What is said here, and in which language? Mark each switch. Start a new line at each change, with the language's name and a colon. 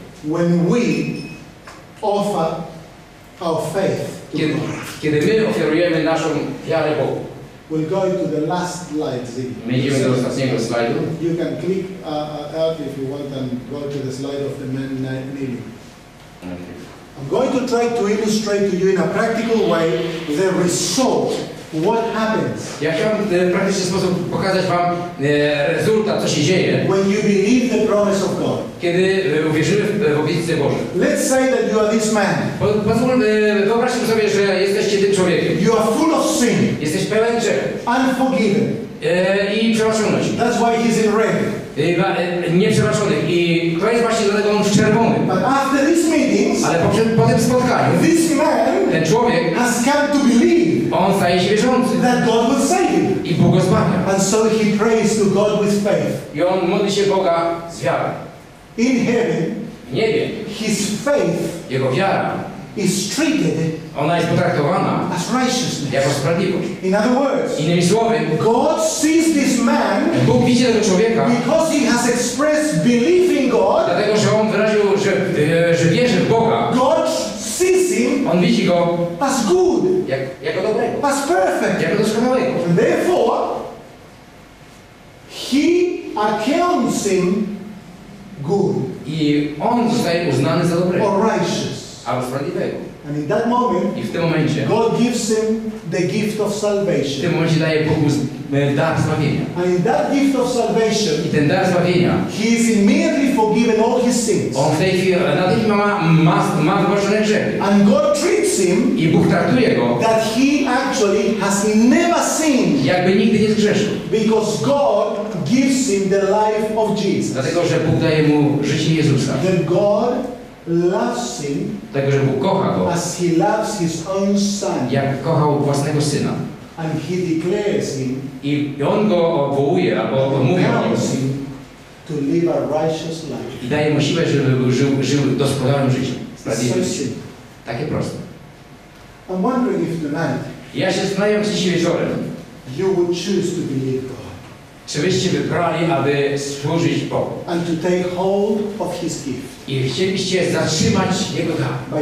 English: When we offer our faith to God.
Polish: Kiedy my oferujemy naszą wiarę Bogu.
English: We're going to the last slide, Zig.
Polish: My idziemy do ostatniego slajdu.
English: You can click out if you want and go to the slide of the man kneeling. I'm going to try to illustrate to you in a practical way the result. What happens?
Polish: Ja chciałbym w praktyczny sposób pokazać wam rezultat, co się dzieje.
English: When you believe the promise of God.
Polish: Kiedy uwierzymy w obietnicę Bożą.
English: Let's say that you are this man.
Polish: Wyobraźmy sobie, że jesteście tym człowiekiem.
English: You are full of sin.
Polish: Jesteś pełen grzechu.
English: Unforgiven.
Polish: I przeproszoność.
English: That's why he's in red.
Polish: Nieprzeproszony. I to jest właśnie dlatego on w czerwonym.
English: But after this meeting.
Polish: Ale po tym spotkaniu.
English: This man.
Polish: Ten człowiek.
English: Has come to believe.
Polish: On staje się wierzący.
English: That God will save him.
Polish: I Bóg go zbawia.
English: And so he prays to God with faith.
Polish: I on modli się Boga z wiarą.
English: In heaven.
Polish: W niebie.
English: His faith.
Polish: Jego wiara.
English: Is treated.
Polish: Ona jest potraktowana.
English: As righteousness.
Polish: Jako sprawiedliwość.
English: In other words.
Polish: Innymi słowy.
English: God sees this man.
Polish: Bóg widzi tego człowieka.
English: Because he has expressed belief in God.
Polish: Dlatego, że on wyraził, że wierzy w Boga.
English: God sees him.
Polish: On widzi go.
English: As good.
Polish: Jako dobrego.
English: As perfect.
Polish: Jako doskonałego.
English: Therefore, he accounts him good.
Polish: I on zostaje uznany za dobrego.
English: Or righteous.
Polish: Albo sprawiedliwego.
English: And in that moment,
Polish: i w tym momencie,
English: God gives him the gift of salvation.
Polish: W tym momencie daje Bogu dar zbawienia.
English: And in that gift of salvation,
Polish: i ten dar zbawienia,
English: he is immediately forgiven all his sins.
Polish: On w tej chwili natychmiast ma wybaczone grzechy.
English: And God treats him,
Polish: i Bóg traktuje go,
English: that he actually has never sinned.
Polish: Jakby nigdy nie zgrzeszył.
English: Because God gives him the life of Jesus.
Polish: Dlatego, że Bóg daje mu życie Jezusa.
English: Then God loves him.
Polish: Dlatego, że Bóg kocha go.
English: As he loves his own son.
Polish: Jak kochał własnego syna.
English: And he declares him.
Polish: I on go obwołuje, albo mówi o
English: nim. To live a righteous life.
Polish: I daje mu siłę, żeby żył doskonałym życiem. Sprawiedliwie. Takie proste.
English: I'm wondering if tonight.
Polish: Ja się zastanawiam dziś wieczorem.
English: You would choose to believe God.
Polish: Czy byście wybrali, aby służyć Bogu?
English: And to take hold of his gift.
Polish: I chcielibyście zatrzymać jego dar.